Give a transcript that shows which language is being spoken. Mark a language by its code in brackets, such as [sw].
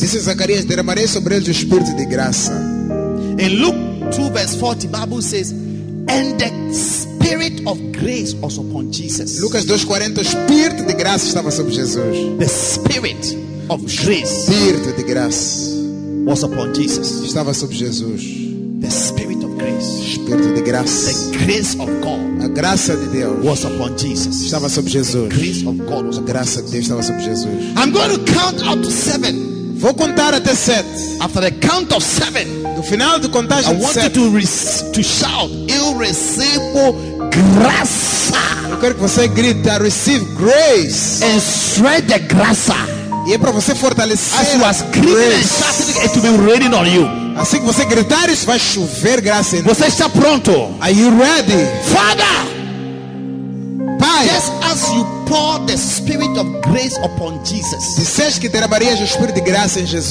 [pt] Diz Zacarias, derramarei sobre eles o espírito de graça. [en] In Luke 2 verse 40, the Bible says, and the spirit of grace was upon Jesus. [pt] Lucas 2:40, o espírito de graça estava sobre Jesus. [en] The spirit of grace. [pt] Espírito de graça. [en] Was upon Jesus. [pt] Estava sobre Jesus. [en] The spirit of grace. [pt] Espírito de graça. [en] The grace of God. [pt] A graça de Deus. [en] Was upon Jesus. [pt] Estava sobre Jesus. [en] The grace of God was upon [pt] A graça de Deus estava sobre Jesus. [en] I'm going to count up to 7. [pt] Vou contar até 7. [en] After the count of 7. [pt] No final do contagem [en] I want [pt] sete, [en] you to shout. [pt] Eu recebo graça. Eu quero que você grite, [en] I receive grace. And spread the graça. [pt] E é para você fortalecer. [en] As you are screaming and shouting, it will be raining on you. [pt] Assim que você gritar, isso vai chover graça em você. Está pronto? [en] Are you ready? Father, [pt] Pai, [en] just as you pour the spirit of grace upon Jesus, [pt] disseste que derramarias o espírito de graça em Jesus.